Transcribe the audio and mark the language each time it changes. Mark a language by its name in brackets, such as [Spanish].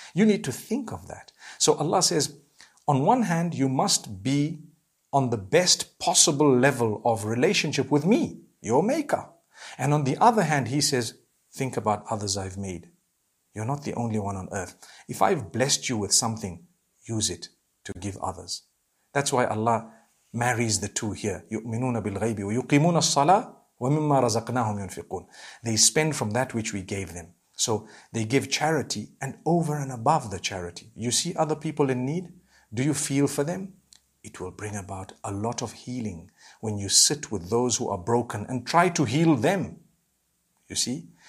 [English] You need to think of that. So Allah says, on one hand, you must be on the best possible level of relationship with me, your maker. And on the other hand, he says, think about others I've made. You're not the only one on earth. If I've blessed you with something, use it to give others. That's why Allah marries the two here. [Arabic] يؤمنون بالغيب ويقيمون الصلاة ومما رزقناهم ينفقون. [English] They spend from that which we gave them. So they give charity and over and above the charity. You see other people in need? Do you feel for them? It will bring about a lot of healing when you sit with those who are broken and try to heal them. You see?